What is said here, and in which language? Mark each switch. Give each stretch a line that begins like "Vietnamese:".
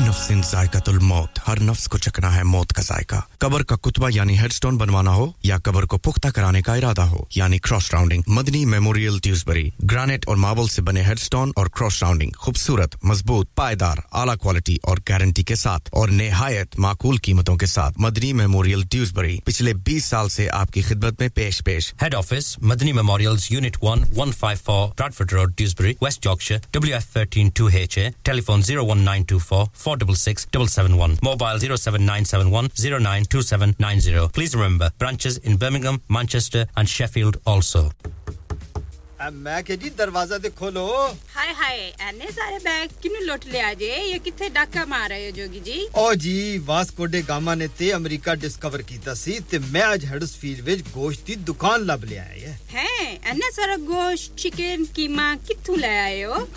Hindi: इन जायकतुल मौत हर नफ्स को चखना है मौत का जायका कब्र का कुतबा यानी हेडस्टोन बनवाना हो या कब्र को पुख्ता कराने का इरादा हो यानी cross rounding Madani memorial Dewsbury granite और मार्बल से बने हेडस्टोन और क्रॉस राउंडिंग खूबसूरत मजबूत पायदार आला क्वालिटी और गारंटी के साथ और نہایت معقول कीमतों के साथ मदनी मेमोरियल ड्यूसबरी पिछले 20 साल से आपकी खिदमत में पेश पेश
English: Head office Madni memorials unit 1 154 Bradford road Dewsbury West Yorkshire WF13 2HA telephone 01924 466771 Mobile 07971 092790. Please remember branches in Birmingham, Manchester, and Sheffield also.
Punjabi: ਮੈਂ ਕਿਹਾ ਜੀ ਦਰਵਾਜ਼ਾ ਤੇ ਖੋਲੋ ਹਾਏ ਹਾਏ ਇੰਨੇ ਸਾਰੇ ਬੈਗ ਕਿਹਨੂੰ ਲੁੱਟ ਲਿਆ ਜੇ ਇਹ ਕਿੱਥੇ ਡਾਕਾ ਮਾਰ ਰਹੇ ਹੋ ਜੋਗੀ ਜੀ ਓ ਜੀ ਵਾਸਕੋ ਡੇ ਗਾਮਾ ਨੇ ਤੇ ਅਮਰੀਕਾ ਡਿਸਕਵਰ ਕੀਤਾ ਸੀ ਤੇ ਮੈਂ ਅੱਜ ਹੈਡਸਫੀਲਡ ਵਿੱਚ ਗੋਸ਼ਤ ਦੀ ਦੁਕਾਨ ਲੱਭ ਲਿਆ ਹੈ ਹੈ ਇੰਨੇ ਸਾਰੇ ਗੋਸ਼ਤ ਚਿਕਨ ਕੀਮਾ ਕਿੱਥੋਂ ਲੈ ਆਏ ਹੋ